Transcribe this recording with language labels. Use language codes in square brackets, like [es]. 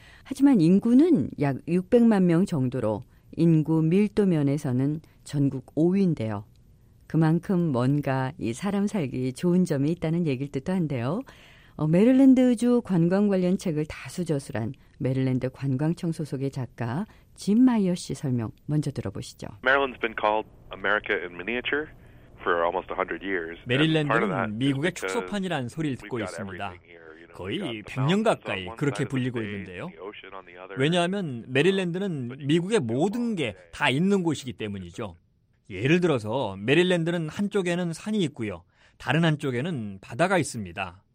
[ko] 하지만 인구는 약 600만 명 정도로 인구 밀도 면에서는 전국 5위인데요. 그만큼 뭔가 이 사람 살기 좋은 점이 있다는 얘기일 듯도 한데요. 메릴랜드주 관광 관련 책을 다수 저술한 메릴랜드 관광청 소속의 작가 짐 마이어 씨 설명 먼저 들어보시죠. [en] Maryland's been called America in miniature for almost 100 years. [ko] 메릴랜드는 미국의 축소판이라는 소리를 듣고 있습니다. 거의 100년 가까이 그렇게 불리고 있는데요. 왜냐하면 메릴랜드는 미국의 모든 게 다 있는 곳이기 때문이죠. 예를 들어서 메릴랜드는 한쪽에는 산이 있고요. 다른 한쪽에는 바다가 있습니다.